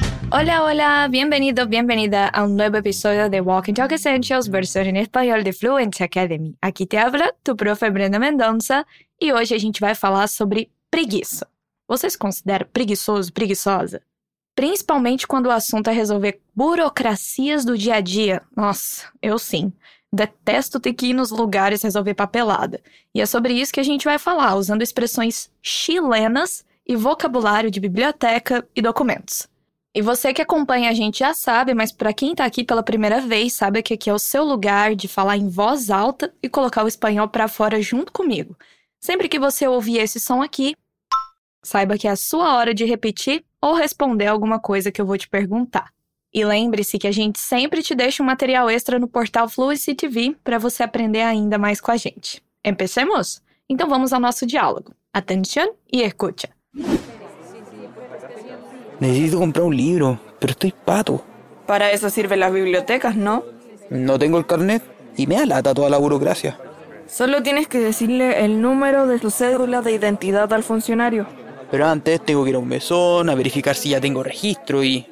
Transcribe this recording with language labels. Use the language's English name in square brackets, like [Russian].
[Spanish] Hola, hola, bienvenidos, bienvenida a un nuevo episodio de Walking Talk Essentials, versión en español de Fluency Academy. Aquí te habla tu profe Brenda Mendonça y hoy [Portuguese] a gente [Spanish] va a hablar sobre preguiça. [Portuguese] ¿Você se considera preguiçoso, preguiçosa? [Spanish] Principalmente cuando el asunto es resolver burocracias [Portuguese] do dia a dia. Nossa, eu sim. Detesto ter que ir nos lugares resolver papelada. E é sobre isso que a gente vai falar, usando expressões chilenas e vocabulário de biblioteca e documentos. E você que acompanha a gente já sabe, mas para quem tá aqui pela primeira vez, sabe que aqui é o seu lugar de falar em voz alta e colocar o espanhol para fora junto comigo. Sempre que você ouvir esse som aqui, saiba que é a sua hora de repetir ou responder alguma coisa que eu vou te perguntar. E lembre-se que a gente sempre te deixa um material extra no portal Fluency TV para você aprender ainda mais com a gente. [Spanish] Empecemos? [Portuguese] Então vamos ao nosso diálogo. [Spanish] Atención y escucha. Necesito comprar un libro, pero estoy pato. Para eso sirven las bibliotecas, ¿no? No tengo el carnet y me alata toda la burocracia. Solo tienes que decirle el número de su cédula de identidad al funcionario. Pero antes tengo que ir a un mesón a verificar si ya tengo registro y...